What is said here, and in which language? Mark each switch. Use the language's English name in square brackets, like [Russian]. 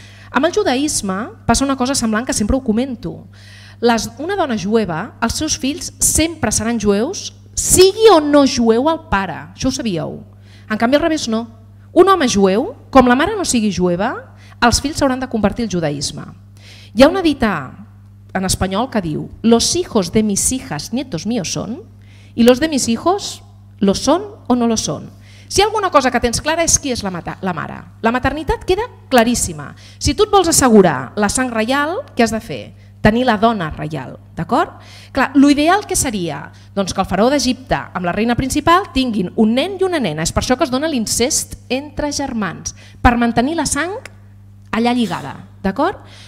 [Catalan] Amb el judaïsme passa una cosa semblant, que sempre ho comento. Una dona jueva, els seus fills sempre seran jueus, sigui o no jueu el pare, això ho sabíeu. En canvi, al revés, no. Un home jueu, com la mare no sigui jueva, els fills s'hauran de convertir al judaïsme. Hi ha una dita en espanyol que diu: [Spanish] los hijos de mis hijas, nietos míos son, y los de mis hijos, lo son o no lo son. [Catalan] Si hi ha alguna cosa que tens clara és qui és la mare. La maternitat queda claríssima. Si tu et vols assegurar la sang reial, què has de fer? Tenir la dona reial, d'acord? Clar, l'ideal que seria? Doncs que el faraó d'Egipte amb la reina principal tinguin un nen i una nena. És per això que es dona l'incest entre germans, per mantenir la sang allà lligada, d'acord?